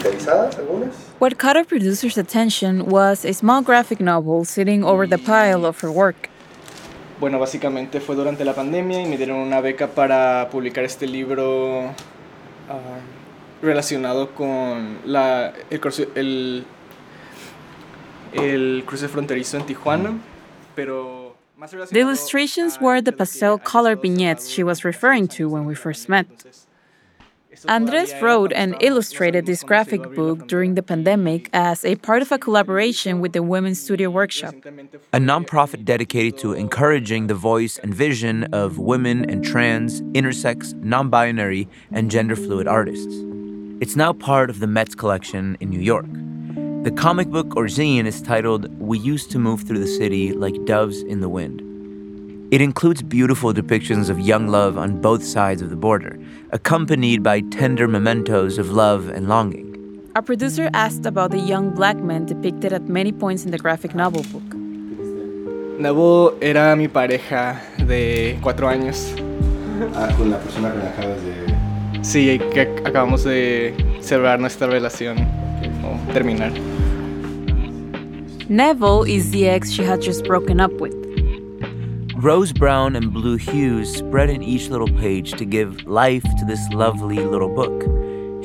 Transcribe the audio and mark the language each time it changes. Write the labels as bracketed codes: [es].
[en] What caught our producer's attention was a small graphic novel sitting over the pile of her work. [es] Bueno, básicamente fue durante la pandemia y me dieron una beca para publicar este libro relacionado con el cruce fronterizo en Tijuana, pero más relacionado. [en] The illustrations were the pastel color vignettes she was referring to when we first met. Andres wrote and illustrated this graphic book during the pandemic as a part of a collaboration with the Women's Studio Workshop, a nonprofit dedicated to encouraging the voice and vision of women and trans, intersex, non-binary, and gender-fluid artists. It's now part of the Metz collection in New York. The comic book or zine is titled We Used to Move Through the City Like Doves in the Wind. It includes beautiful depictions of young love on both sides of the border, accompanied by tender mementos of love and longing. Our producer asked about the young black man depicted at many points in the graphic novel book. [es] Nabo era mi pareja de 4 años. Con la persona que acabas de... Sí, que acabamos de cerrar nuestra relación, o terminar. [en] Neville is the ex she had just broken up with. Rose brown and blue hues spread in each little page to give life to this lovely little book.